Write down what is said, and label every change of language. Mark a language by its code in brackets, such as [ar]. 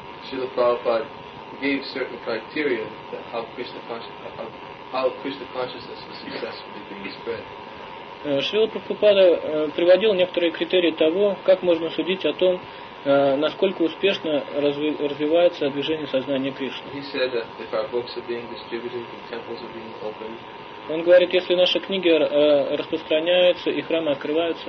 [en] Srila Prabhupada gave certain criteria how Krishna consciousness was successfully being spread. [ru] Srila Prabhupada приводил некоторые критерии того, как можно судить о том, насколько успешно развивается движение сознания Кришны. [en] He said that if our books are being distributed, the temples are being opened. [ru] Он говорит, если наши книги распространяются и храмы открываются,